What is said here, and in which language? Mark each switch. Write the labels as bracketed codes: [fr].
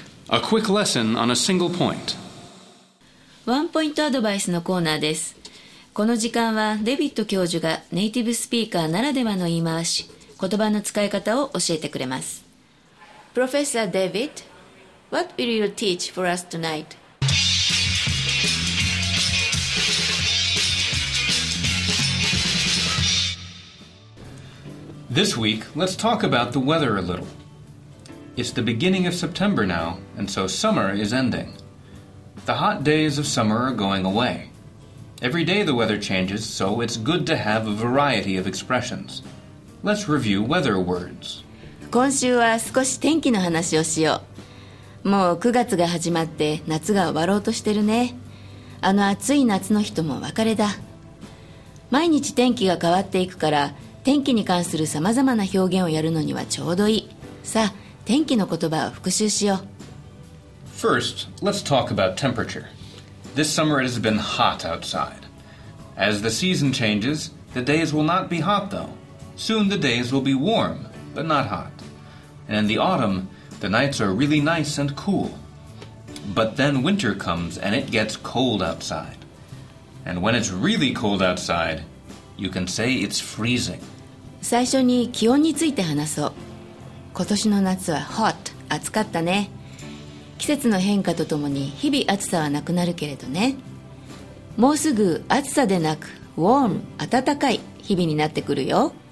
[en] A quick lesson on a single point. [ja] ワンポイントアドバイスのコーナーです。この時間はデビッド教授がネイティブスピーカーならではの言い回し、言葉の使い方を教えてくれます。 [en] Professor David, what will you teach for us tonight? This week, let's talk about the weather a little. It's the beginning of September now, and so summer is ending. The hot days of summer are going away. Every day the weather changes, so it's good to have a variety of expressions. Let's review weather words. [ja] 今週は少し天気の話をしよう。もう9月が始まって夏が終わろうとしてるね。あの暑い夏の日とも別れだ。毎日天気が変わっていくから、天気に関する様々な表現をやるのにはちょうどいい。さあ、天気の言葉を復習しよう。 [en] First, let's talk about temperature. This summer it has been hot outside. As the season changes, the days will not be hot though. Soon the days will be warm, but not hot. And in the autumn, the nights are really nice and cool. But then winter comes and it gets cold outside. And when it's really cold outside, you can say it's freezing. [ja] 最初に気温について話そう。今年の夏は hot、 暑かったね。季節の変化とともに日々暑さはなくなるけれどね、もうすぐ暑さでなく warm、 暖かい日々になってくるよ。